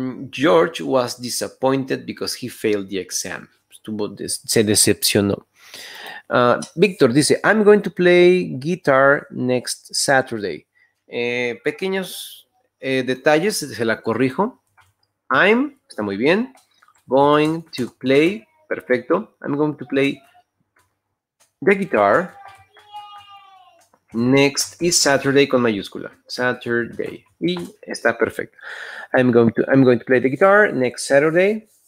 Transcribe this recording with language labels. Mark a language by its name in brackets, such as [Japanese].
[English] George was disappointed because he failed the exam. [Spanish] Se decepcionó. Víctor dice, [English] I'm going to play guitar next Saturday. [Spanish] Pequeños detalles, se la corrijo. I'm, está muy bien. [English] Going to play, [Spanish] perfecto. [English] I'm going to play the guitar next is Saturday [Spanish] con mayúscula. [English] Saturday. [Spanish] Y está perfecto. [English] I'm going to play the guitar next Saturday.